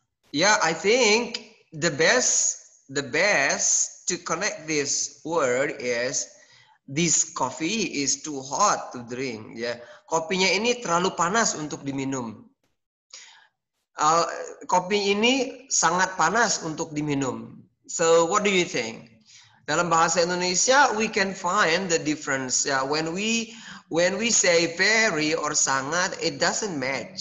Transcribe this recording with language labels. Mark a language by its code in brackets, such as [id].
[en] Yeah, I think the best to connect this word is this coffee is too hot to drink. [id] Yeah, kopinya ini terlalu panas untuk diminum. Kopi ini sangat panas untuk diminum. [en] So what do you think? Dalam bahasa Indonesia, we can find the difference. Yeah, when we say very or sangat, it doesn't match.